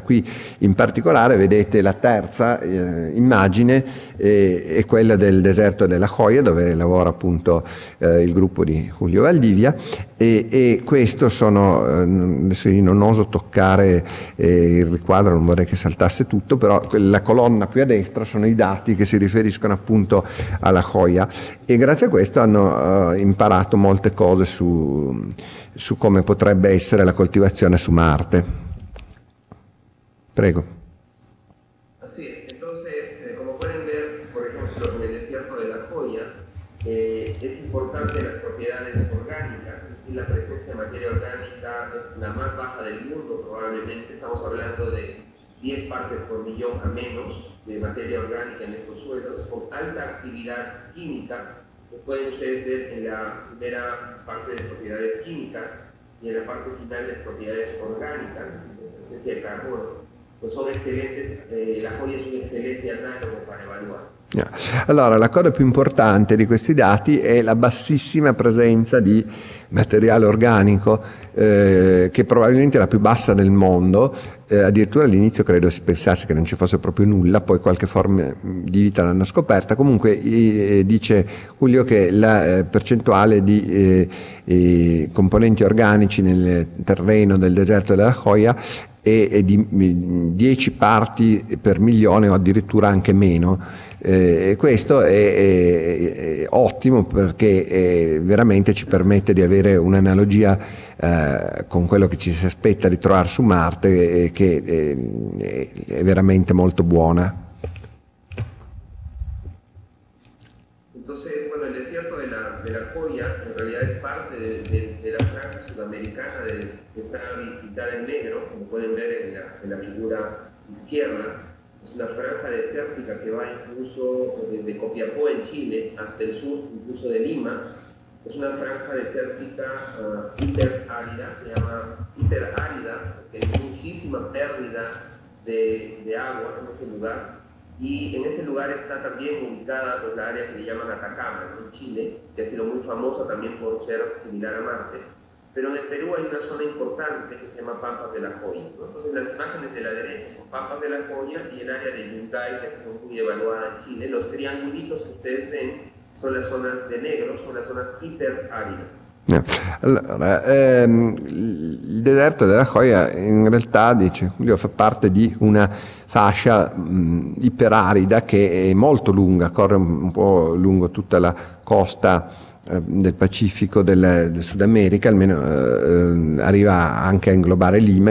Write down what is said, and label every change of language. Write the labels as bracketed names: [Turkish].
[Italian] Qui in particolare vedete la terza immagine, è quella del deserto della Joya, dove lavora appunto il gruppo di Julio Valdivia, e questo sono, adesso io non oso toccare il riquadro, non vorrei che saltasse tutto, però la colonna qui a destra sono i dati che si riferiscono appunto alla Joya, e grazie a questo hanno imparato molte cose su come potrebbe essere la coltivazione su Marte. Prego. [Spanish] Así es. Entonces, como pueden ver, por ejemplo, en el desierto de la Joya, es importante las propiedades orgánicas, es decir, la presencia de materia orgánica es la más baja del mundo, probablemente estamos hablando de 10 partes por millón a menos de materia orgánica en estos suelos, con alta actividad química. Pueden ustedes ver en la primera parte de propiedades químicas y en la parte final de propiedades orgánicas, es decir, de carbono, pues son excelentes, la joya es un excelente análogo para evaluar. [Italian] Allora, la cosa più importante di questi dati è la bassissima presenza di materiale organico, che probabilmente è la più bassa del mondo. Addirittura all'inizio credo si pensasse che non ci fosse proprio nulla, poi qualche forma di vita l'hanno scoperta. Comunque dice Julio che la percentuale di componenti organici nel terreno del deserto della Joya è di 10 parti per milione o addirittura anche meno. Questo è ottimo, perché veramente ci permette di avere un'analogia con quello che ci si aspetta di trovare su Marte, che è veramente molto buona. [Spanish] Entonces, bueno, el desierto de la Joya en realidad es parte de la franja sudamericana que está pintada en negro, como pueden ver en la figura izquierda. Es una franja desértica que va incluso desde Copiapó en Chile hasta el sur, incluso de Lima. Es una franja desértica hiperárida, se llama hiperárida, porque hay muchísima pérdida de agua en ese lugar. Y en ese lugar está también ubicada pues, la área que le llaman Atacama, en Chile, que ha sido muy famosa también por ser similar a Marte. Pero en el Perú hay una zona importante que se llama Pampas de la Joya, ¿no? Entonces las imágenes de la derecha son Pampas de la Joya y el área de Yungay, que es muy evaluada en Chile. Los triangulitos que ustedes ven son las zonas de negro, son las zonas hiperáridas. [Italian] Allora, il deserto della Joya in realtà, dice Julio, fa parte di una fascia iperarida che è molto lunga, corre un po' lungo tutta la costa del Pacifico, del Sud America, almeno arriva anche a inglobare Lima.